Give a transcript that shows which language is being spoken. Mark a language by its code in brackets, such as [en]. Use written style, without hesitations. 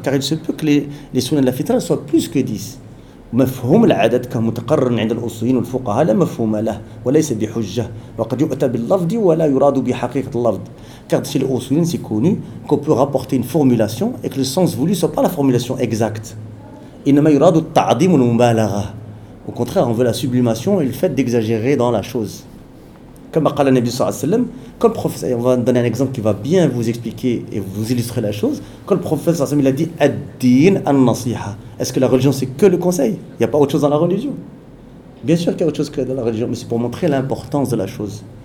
[fr] Car il se peut que les sunnah de la fitra soient plus que 10. [ar] مفهوم العدد كمتقرر عند الأصوليين والفقهاء لا مفهوم له وليس بحجة. وقد يؤتى باللفظ ولا يراد بحقيقة اللفظ. [fr] Car chez les Usuliens, c'est connu qu'on peut rapporter une formulation et que le sens voulu ne soit pas la formulation exacte. [ar] إنما يراد التعظيم والمبالغة. [fr] Au contraire, on veut la sublimation et le fait d'exagérer dans la chose. Comme a dit le Nabi sallallahu alayhi wa sallam, quand le prophète, on va donner un exemple qui va bien vous expliquer et vous illustrer la chose. Quand le prophète sallallahu alayhi wa sallam, il a dit Ad-din an-nasiha. Est-ce que la religion c'est que le conseil? Il n'y a pas autre chose dans la religion? Bien sûr qu'il y a autre chose que dans la religion, mais c'est pour montrer l'importance de la chose.